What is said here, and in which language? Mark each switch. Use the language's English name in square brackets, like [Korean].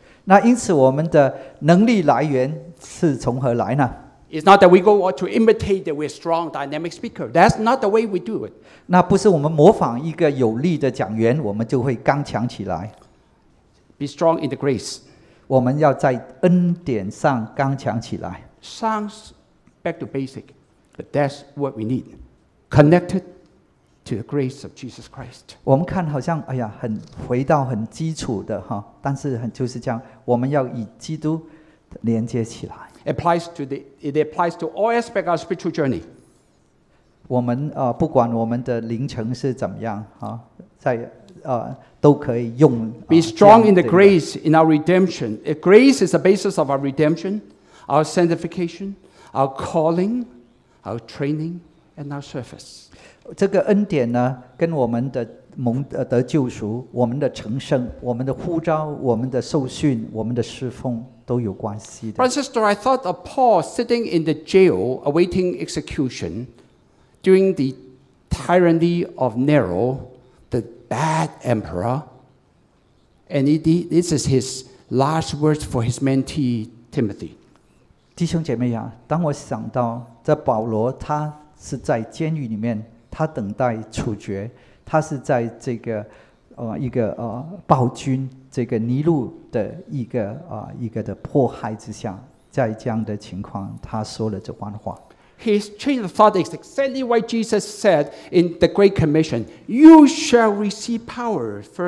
[Chinese] 那因此我们的能力来源是从何来呢？ [English] It's not that we go to imitate that we're strong, dynamic speaker. That's not the way we do it. [Chinese] 那不是我们模仿一个有力的讲员，我们就会刚强起来。 [English] Be strong in the grace. [Chinese] 我们要在恩典上刚强起来。 [English] Sounds back to basic, but that's what we need. Connected to the grace of Jesus Christ. [Chinese] 我们看好像，哎呀，很回到很基础的哈，但是很就是这样，我们要以基督连接起来。 [English] It applies to all aspects of our spiritual journey. [Chinese] 我们不管我们的灵程是怎么样啊，在都可以用。 [English] Be strong in the grace in our redemption. Grace is the basis of our redemption, our sanctification, our calling, our training, and our service. [Chinese] 这个恩典呢，跟我们的蒙得救赎、我们的成圣、我们的呼召、我们的受训、我们的侍奉都有关系的。 [English] Brothers and sisters, I thought of Paul sitting in the jail awaiting execution during the tyranny of Nero, the bad emperor, and this is his last words for his mentee Timothy. [Chinese] 弟兄姐妹啊，当我想到这保罗，他是在监狱里面，他等待处决。他是在这个一个暴君这个尼禄的一个的迫害之下，在这样的情况，他说了这番话。 [English] His train of thought is exactly what Jesus said in the Great Commission: "You shall receive power."